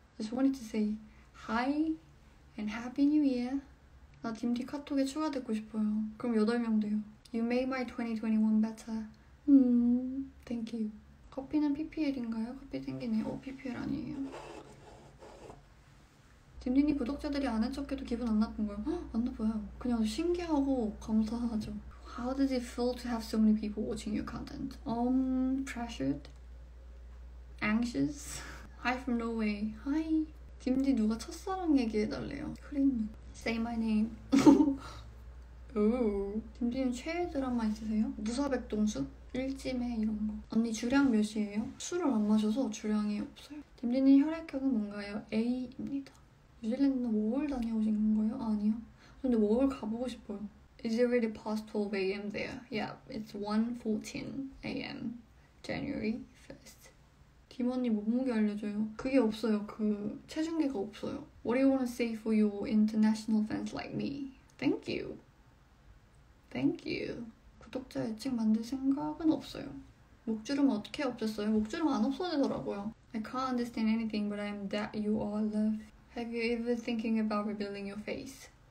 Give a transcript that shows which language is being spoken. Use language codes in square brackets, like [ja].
[en] Just wanted to say hi and happy new year. [ko] 나 딤디 카톡에 추가되고 싶어요. 그럼 8명 돼요. [en] You made my 2021 better. Thank you. [ko] 커피는 PPL인가요? 커피 땡기네요. 어, PPL 아니에요. 딤디니 구독자들이 아는 척해도 기분 안 나쁜 거예요? 헉, 안 나빠요. 그냥 신기하고 감사하죠. [en] How does it feel to have so many people watching your content? Pressured? Anxious? Hi from Norway. Hi. [ko] 딤디 누가 첫사랑 얘기해달래요. 흐린님. [en] Say my name. [ko] 딤디는 최애 드라마 있으세요? 무사백동수? 일지매 이런 거. 언니 주량 몇이에요? 술을 안 마셔서 주량이 없어요. 딤디는 혈액형은 뭔가요? A입니다. 뉴질랜드는 5월 다녀오신 건가요? 아니요. 근데 5월 가보고 싶어요. [en] Is it already past 12 a.m. there? Yeah, it's 1:14 a.m. January 1st. [ko] 김 언니 몸무게 알려줘요. 그게 없어요. 그 체중계가 없어요. [en] What do you want to say for your international fans like me? Thank you. Thank you. [ko] 구독자 예측 만들 생각은 없어요. 목주름 어떻게 없앴어요? 목주름 안 없어지더라고요. [en] I can't understand anything, but I'm that you all love. Have you ever thinking about rebuilding your face?